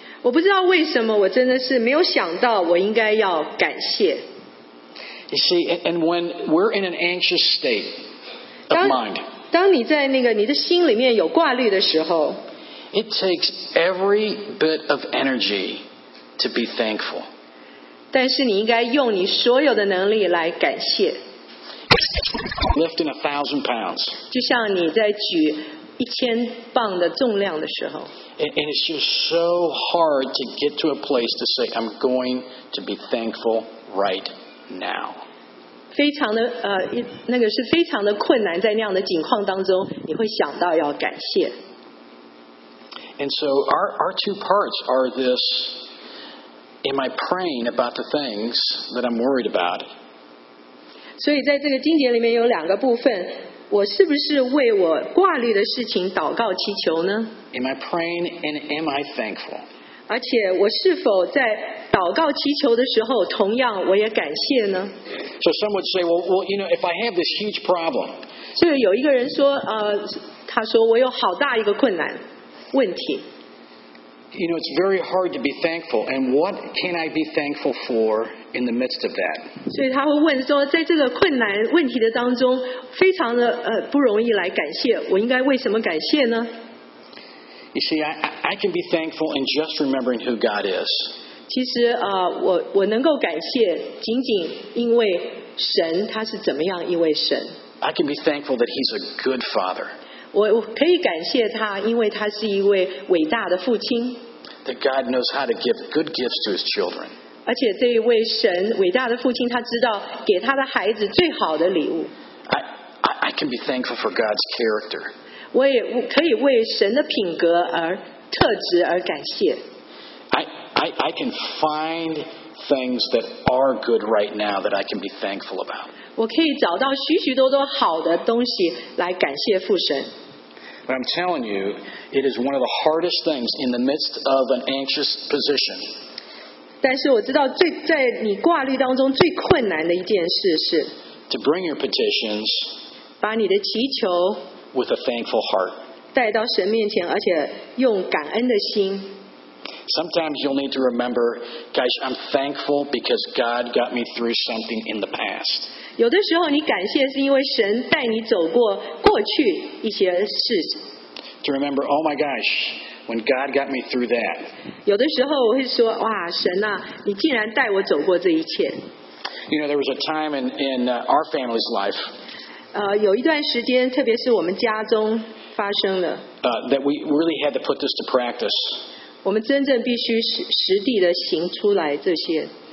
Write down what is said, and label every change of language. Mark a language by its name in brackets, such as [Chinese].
[Chinese] 我不知道为什么，我真的是没有想到我应该要感谢。 [English] You see, and when we're in an anxious state of mind, [Chinese] 当你在那个你的心里面有挂虑的时候 [English] ，it takes every bit of energy to be thankful. [Chinese] 但是你应该用你所有的能力来感谢。 [English] Lifting 1,000 pounds. [Chinese] 就像你在举。1,000磅的重量的时候 [English] and it's just so hard to get to a place to say I'm going to be thankful right now. [Chinese] 非常的那个是非常的困难，在那样的境况当中，你会想到要感谢。 [English] And so our two parts are this Am I praying about the things that I'm worried about? [Chinese] 所以在这个经节里面有两个部分，我是不是为我挂虑的事情祷告祈求呢？ [English] Am I praying and am I thankful? [Chinese] 而且我是否在祷告祈求的时候，同样我也感谢呢？ [English] So some would say, well, you know, if I have this huge problem. [Chinese] 所以有一个人说，他说我有好大一个困难问题。 [English] You know, it's very hard to be thankful. And what can I be thankful for in the midst of that? [Chinese] 所以他会问说，在这个困难问题的当中，非常的不容易来感谢，我应该为什么感谢呢？ [English] You see, I can be thankful in just remembering who God is. [Chinese] 其实我能够感谢，仅仅因为神他是怎么样一位神。 [English] I can be thankful that He's a good Father. [Chinese] 我可以感谢他，因为他是一位伟大的父亲。 [English] That God knows how to give good gifts to His children. [Chinese] 而且这一位神，伟大的父亲，他知道给他的孩子最好的礼物。 [English] I can be thankful for God's character. [Chinese] 我也可以为神的品格而特质而感谢。 [English] I can find things that are good right now that I can be thankful about. [Chinese] 我可以找到许许多多好的东西来感谢父神。 [English] But I'm telling you, it is one of the hardest things in the midst of an anxious position. [Chinese] 但是我知道最在你挂虑当中最困难的一件事是 [English] to bring your petitions [Chinese] 把你的祈求 [English] with a thankful heart [Chinese] 带到神面前，而且用感恩的心。 [English] Sometimes you'll need to remember, guys, I'm thankful because God got me through something in the past. [Chinese] 有的时候你感谢是因为神带你走过过去一些事。 [English] To remember, oh my gosh, when God got me through that. [Chinese] 有的时候我会说，哇，神啊，你竟然带我走过这一切。 [English] You know, there was a time in our family's life. [Chinese] 有一段时间，特别是我们家中发生了。 [English] That we really had to put this to practice. [Chinese] 我们真正必须实地的行出来这些。